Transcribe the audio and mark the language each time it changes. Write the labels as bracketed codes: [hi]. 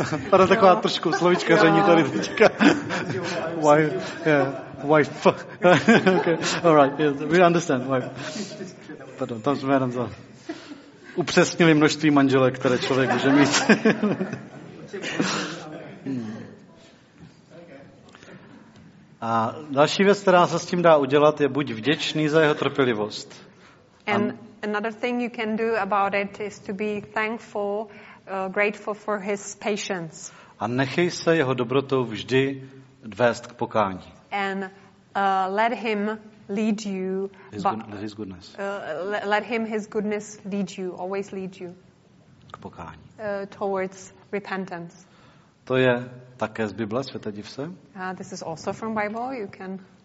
[cs] Tady taková trošku slovíčkaření tady teďka. [en] Wife, yeah, wife. Okay, all right, yeah, we understand, wife. [cs] Pardon, tam jsme jenom za... upřesnili množství manželek, které člověk může mít. A další věc, která se s tím dá udělat, je buď vděčný za jeho trpělivost. [en] And another thing you can do about it is to be thankful, grateful for his patience. [cs] A nechej se jeho dobrotou vždy dvést k pokání. [en] And let him lead you. His goodness. Let him his goodness lead you, always lead you. [cs] K pokání. [en] Towards repentance. [cs] To je také z Bible, světe div se. [en] This is also from Bible, you can